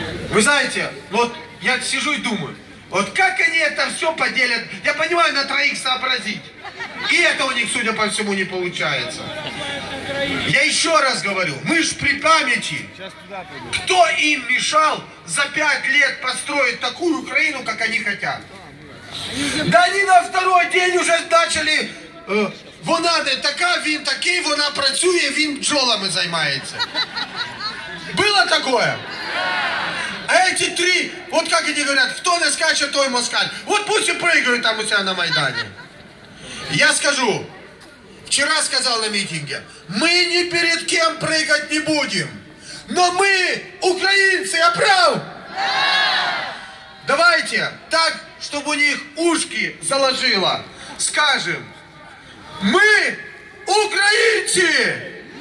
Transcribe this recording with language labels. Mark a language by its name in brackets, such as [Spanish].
[Russian] Вы знаете, вот я сижу и думаю, вот как они это все поделят, я понимаю, на троих сообразить. И это у них, судя по всему, не получается. Я еще раз говорю, мы ж при памяти, кто им мешал за 5 лет построить такую Украину, как они хотят. Да они на второй день уже начали, [Ukrainian] вона така, він такий, вона працює, він бджолами займається. [Russian] Было такое? А эти три, вот как они говорят, кто не скачет, той москаль. Вот пусть и прыгают там у себя на Майдане. Я скажу, вчера сказал на митинге, мы ни перед кем прыгать не будем. Но мы украинцы, я прав? Давайте так, чтобы у них ушки заложило, скажем, мы украинцы.